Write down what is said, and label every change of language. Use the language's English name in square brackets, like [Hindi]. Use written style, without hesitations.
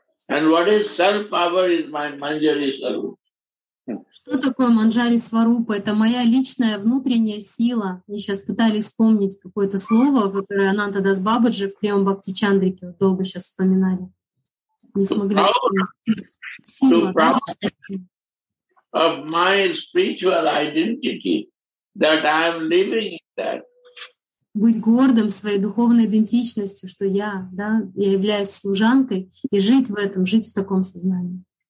[English] And what is self-power is my Manjari Sarup. [Russian] Что такое Манджари Сварупа? Это моя личная внутренняя сила. Мне сейчас пытались вспомнить какое-то слово, которое Ананта Дас Бабаджи в Према Бхакти Чандрике долго сейчас вспоминали. Не смогли вспомнить. Сила. [English] Of my spiritual identity, that I'm living in that. [Russian] Быть гордым своей духовной идентичностью, что я, да, я являюсь служанкой, и жить в этом, жить в таком сознании.